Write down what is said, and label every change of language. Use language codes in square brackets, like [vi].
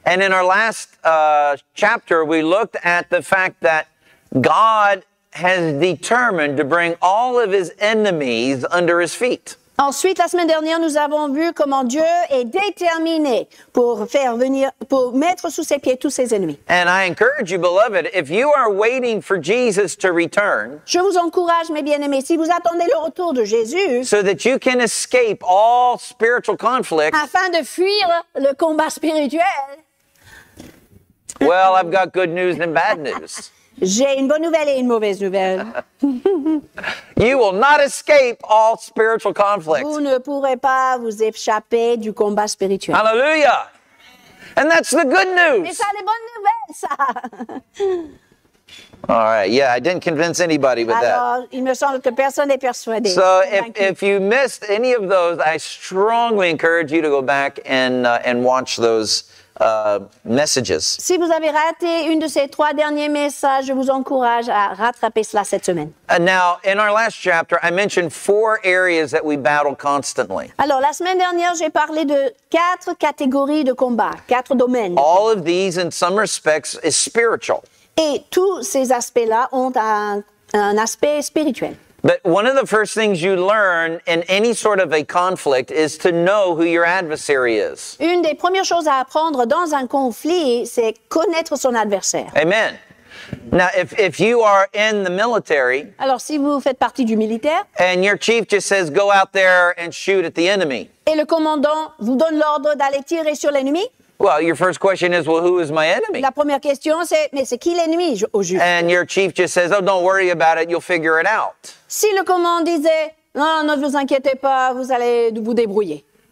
[en] And in our last chapter, we looked at the fact that God has determined to bring all of his enemies under his feet. [fr] Ensuite, la semaine dernière, nous avons vu comment Dieu est déterminé pour mettre sous ses pieds tous ses ennemis. [en] And I encourage you, beloved, if you are waiting for Jesus to return, [fr] je vous encourage, mes bien-aimés, si vous attendez le retour de Jésus, [en] so that you can escape all spiritual conflict, [fr] afin de fuir le combat spirituel. [en] Well, I've got good news and bad news. [fr] J'ai une bonne nouvelle et une mauvaise nouvelle. [en] You will not escape all spiritual conflict. [fr] Vous ne pourrez pas vous échapper du combat spirituel. [en] Hallelujah! And that's the good news. [fr] Mais ça, les bonnes nouvelles, ça. [en] All right. Yeah, I didn't convince anybody with [fr] Alors, [en] that. [fr] Il me semble que personne n'est persuadé. [en] So if you missed any of those, I strongly encourage you to go back and watch those. [fr] Messages. Si vous avez raté une de ces trois derniers messages, je vous encourage à rattraper cela cette semaine. [en] Now, in our last chapter, I mentioned four areas that we battle constantly. [fr] Alors, la semaine dernière, j'ai parlé de quatre catégories de combats, quatre domaines. [en] All of these, in some respects, is spiritual. [fr] Et tous ces aspects-là ont un aspect spirituel. [en] But one of the first things you learn in any sort of a conflict is to know who your adversary is. [fr] Une des premières choses à apprendre dans un conflit, c'est connaître son adversaire. [en] Amen. Now, if you are in the military, [fr] alors si vous faites partie du militaire, [en] and your chief just says go out there and shoot at the enemy, [fr] et le commandant vous donne l'ordre d'aller tirer sur l'ennemi. [en] Well, your first question is, well, who is my enemy? [fr] La première question c'est, mais c'est qui l'ennemi au juste? [en] And your chief just says, oh, don't worry about it, you'll figure it out. [fr] Si le commandant disait, non, ne vous inquiétez pas, vous allez vous débrouiller.